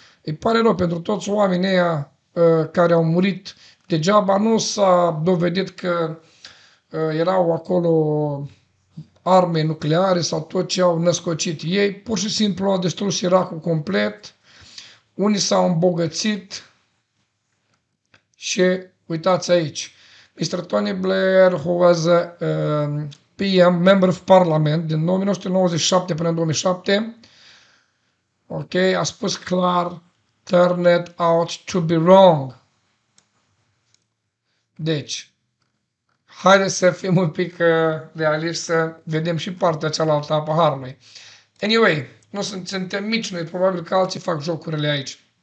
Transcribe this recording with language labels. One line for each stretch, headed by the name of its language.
Romanian: Îi pare rău pentru toți oamenii ăia care au murit degeaba, nu s-a dovedit că erau acolo arme nucleare sau tot ce au născocit ei, pur și simplu au distrus Irakul complet, unii s-au îmbogățit și uitați aici.
English: Mr. Tony Blair, who was PM, member of Parliament,
Romanian: din 1997 până în 2007, ok, a spus clar,
English: turn it out to be wrong.
Romanian: Deci, haideți să fim un pic realiști, să vedem și partea cealaltă a paharului. Anyway, nu suntem mici noi, probabil că alții fac jocurile aici.